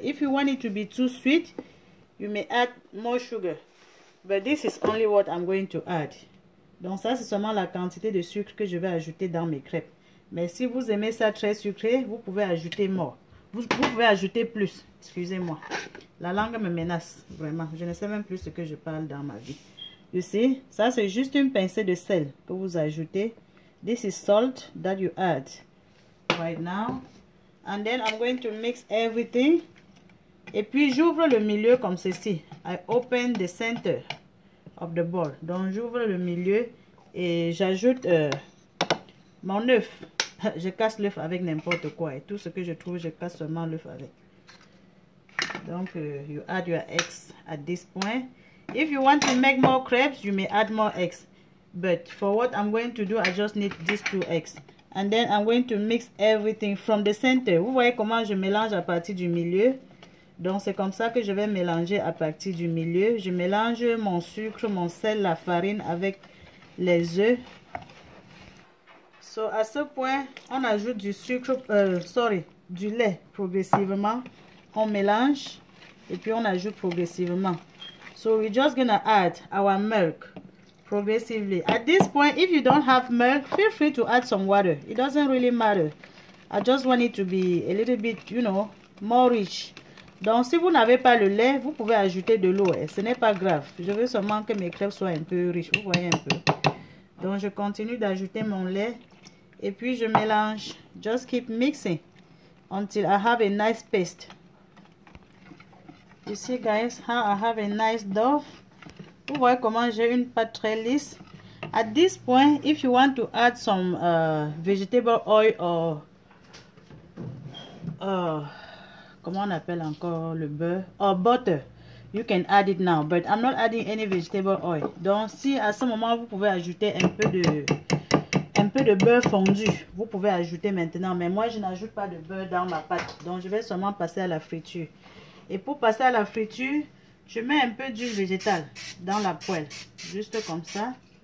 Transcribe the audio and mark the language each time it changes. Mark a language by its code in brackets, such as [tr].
[en] If you want it to be too sweet, you may add more sugar. But this is only what I'm going to add. [fr] Donc ça c'est seulement la quantité de sucre que je vais ajouter dans mes crêpes. Mais si vous aimez ça très sucré, vous pouvez ajouter [en] more. [fr] Vous pouvez ajouter plus. Excusez-moi. La langue me menace, vraiment. Je ne sais même plus ce que je parle dans ma vie. [en] You see, [fr] ça c'est juste une pincée de sel que vous ajoutez. [en] This is salt that you add right now. And then I'm going to mix everything. [fr] Et puis j'ouvre le milieu comme ceci. [en] I open the center of the bowl. [fr] Donc j'ouvre le milieu et j'ajoute mon œuf. Je casse l'œuf avec n'importe quoi. Et tout ce que je trouve, je casse seulement l'œuf avec. [en] Donc, you add your eggs at this point. If you want to make more crepes, you may add more eggs. But for what I'm going to do, I just need these two eggs. And then I'm going to mix everything from the center. [fr] Vous voyez comment je mélange à partir du milieu. Donc, c'est comme ça que je vais mélanger à partir du milieu. Je mélange mon sucre, mon sel, la farine avec les œufs. So, à ce point, on ajoute du sucre, sorry, du lait progressivement. On mélange et puis on ajoute progressivement. [en] So we're just gonna add our milk progressively. At this point, if you don't have milk, feel free to add some water. It doesn't really matter. I just want it to be a little bit, you know, more rich. [fr] Donc si vous n'avez pas le lait, vous pouvez ajouter de l'eau. Et ce n'est pas grave. Je veux seulement que mes crêpes soient un peu riches. Vous voyez un peu. Donc je continue d'ajouter mon lait et puis je mélange. [en] Just keep mixing until I have a nice paste. You see guys, how I have a nice dough. [fr] Vous voyez comment j'ai une pâte très lisse. [en] At this point, if you want to add some vegetable oil or [fr] comment on appelle encore le beurre [en] or butter, you can add it now. But I'm not adding any vegetable oil. [fr] Donc si à ce moment vous pouvez ajouter un peu de beurre fondu, vous pouvez ajouter maintenant. Mais moi je n'ajoute pas de beurre dans ma pâte. Donc je vais seulement passer à la friture. Et pour passer à la friture, je mets un peu d'huile végétale dans la poêle. Juste comme ça.